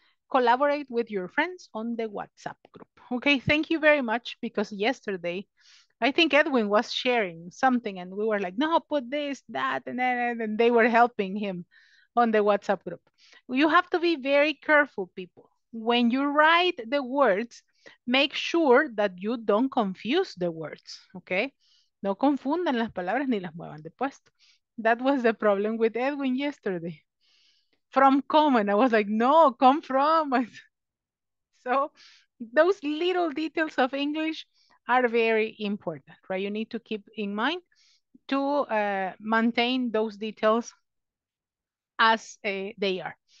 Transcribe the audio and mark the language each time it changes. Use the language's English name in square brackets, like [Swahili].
[English] Collaborate with your friends on the WhatsApp group. Okay, thank you very much, because yesterday, I think Edwin was sharing something and we were like, no, put this, that, and then, and they were helping him on the WhatsApp group. You have to be very careful, people. When you write the words, make sure that you don't confuse the words, okay? [Spanish] No confundan las palabras ni las muevan de puesto. [English] That was the problem with Edwin yesterday. From come, and I was like, no, come from. So those little details of English are very important, right? You need to keep in mind to maintain those details as they are.